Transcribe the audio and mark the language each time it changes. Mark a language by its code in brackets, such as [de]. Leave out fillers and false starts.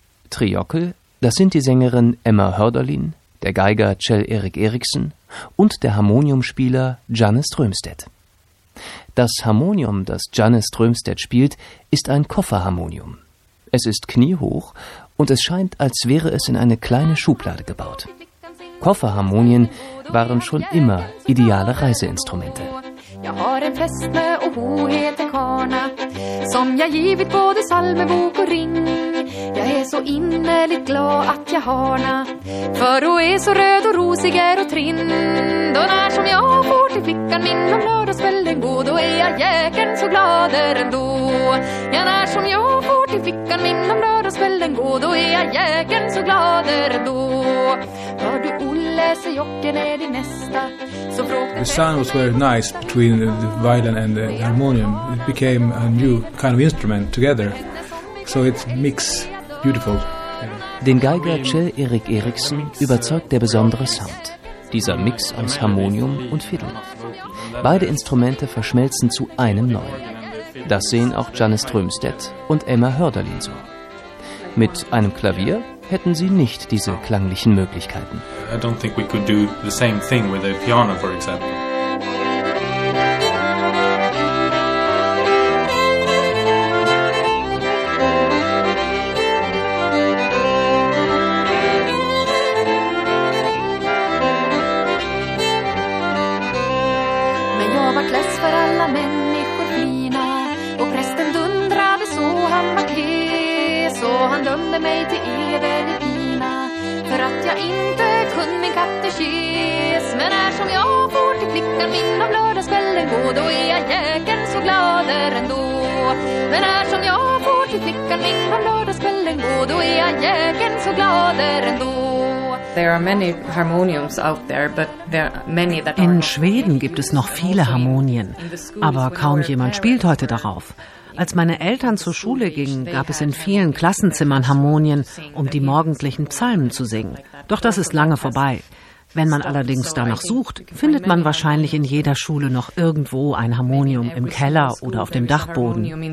[de] Triokel, das sind die Sängerin Emma Hörderlin, der Geiger Kjell-Erik Eriksen und der Harmoniumspieler Janne Strömstedt. Das Harmonium, das Janne Strömstedt spielt, ist ein Kofferharmonium. Es ist kniehoch und es scheint, als wäre es in eine kleine Schublade gebaut. Kofferharmonien waren schon immer ideale Reiseinstrumente. [sv] Jag har en fästmö och ho heter Karna, som jag givit både salmebok och ring. Jag är så innerligt glad att jag har na. För du är så röd och rosig är och trind. Och när som jag får till flickan min om lördagsvällen gå, då är jag jäkern så gladare ändå. Ja, när som jag får till flickan min om lördagsvällen gå, då är jag jäkern så gladare ändå. Hör du Olle så jocken är din nästa. [en] The sound was very nice between the violin and the harmonium. It became a new kind of instrument together. So it mixed beautiful. [de] Den Geiger Cel Erik Eriksen überzeugt der besondere Sound. Dieser Mix aus Harmonium und Fiddle. Beide Instrumente verschmelzen zu einem neuen. Das sehen auch Janis Trömstedt und Emma Hörderlin so. Mit einem Klavier hätten sie nicht diese klanglichen Möglichkeiten. [en] I don't think we could do the same thing with a piano, for example. [sv] Men jag var klass för alla människor fina. Och prästen dundrade så han var kles. Så han dömde mig till evigt fina. För att jag inte kunde min katekes. Men när som jag får till flickan min om lördagskvällen gå, då är jag jäkern så gladare ändå. Men när som jag får till flickan min om lördagskvällen gå, då är jag jäkern så gladare ändå. [de] In Schweden gibt es noch viele Harmonien, aber kaum jemand spielt heute darauf. Als meine Eltern zur Schule gingen, gab es in vielen Klassenzimmern Harmonien, um die morgendlichen Psalmen zu singen. Doch das ist lange vorbei. Wenn man allerdings danach sucht, findet man wahrscheinlich in jeder Schule noch irgendwo ein Harmonium im Keller oder auf dem Dachboden.